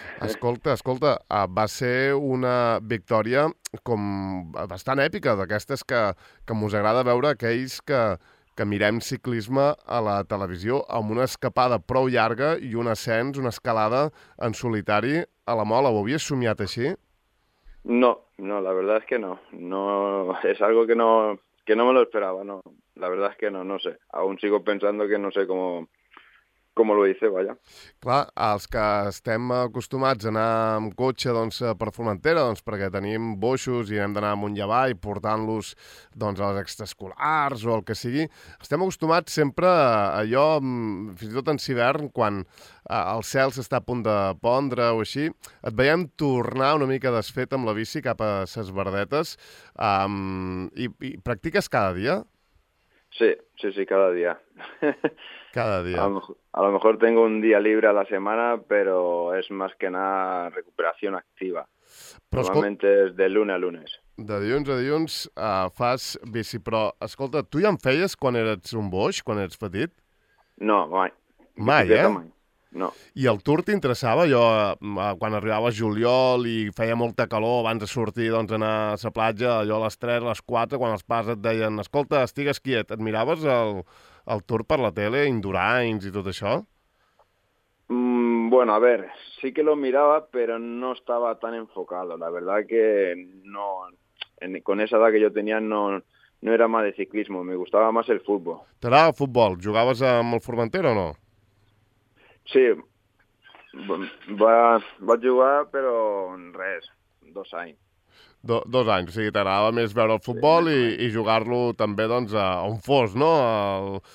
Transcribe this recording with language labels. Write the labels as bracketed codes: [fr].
[ca] Escolta, va ser una victòria com bastant èpica, d'aquestes que ens agrada veure aquells que mirem ciclisme a la televisió, amb una escapada prou llarga i un ascens, una escalada en solitari a la mola. Ho havies somiat així? [es] No, la verdad es que no. No, es algo que no me lo esperaba, no. La verdad es que no sé. Aún sigo pensando que no sé cómo lo hice, vaya. [ca] Clar, els que estem acostumats a anar amb cotxe per Formentera, perquè tenim boixos i hem d'anar amunt i avall portant-los a les extraescolars o el que sigui, estem acostumats sempre a allò, fins i tot en hivern, quan el cel s'està a punt de pondre o així, et veiem tornar una mica desfet amb la bici cap a Ses Verdetes. I practiques cada dia? Sí, cada dia. Cada dia. [es] A lo mejor tengo un día libre a la semana, pero es más que nada recuperación activa. Però normalmente es de lunes a lunes. [ca] De dilluns a dilluns fas bici, però escolta, tu ja en feies quan eres un boix, quan eres petit? No, mai. Mai, eh? Mai. No. I el Tour t'interessava, allò, quan arribava juliol i feia molta calor abans de sortir, anar a la platja, allò a les 3, a les 4, quan els pares et deien, escolta, estigues quiet, et miraves el Tour per la tele, Indurains i tot això? [es] Bueno, a ver, sí que lo miraba, pero no estaba tan enfocado. La verdad que no, con esa edad que yo tenía no era más de ciclismo, me gustaba más el fútbol. [ca] T'agrada el futbol? Jugaves amb el Formentera o no? Sí, vaig jugar, però res, 2 anys. Dos anys, o sigui, t'agradava més veure el futbol, sí, i jugar-lo també a on fos, no?